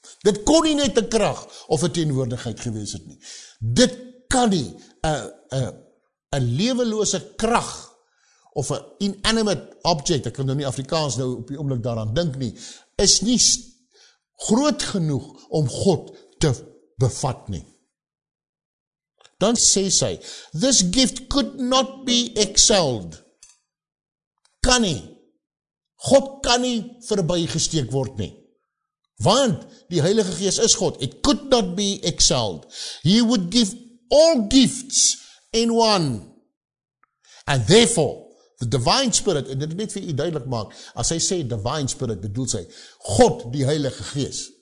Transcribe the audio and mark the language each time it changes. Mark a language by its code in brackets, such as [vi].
[af] Dit kon nie net 'n krag of 'n teenwoordigheid gewees het nie. Dit kan nie 'n lewelose krag of 'n inanimate object, ek kan nou nie Afrikaans nou op die oomblik daaraan dink nie, is nie groot genoeg om God te bevat nie. Dan sê sy, [en] this gift could not be excelled. [af] Kan nie. God kan nie verbygesteek word nie. Want die Heilige Gees is God. [en] It could not be excelled. He would give all gifts in one. And therefore, the Divine Spirit, [af] en dit net vir u duidelik maak, as hy sê Divine Spirit, bedoel sy God die Heilige Gees.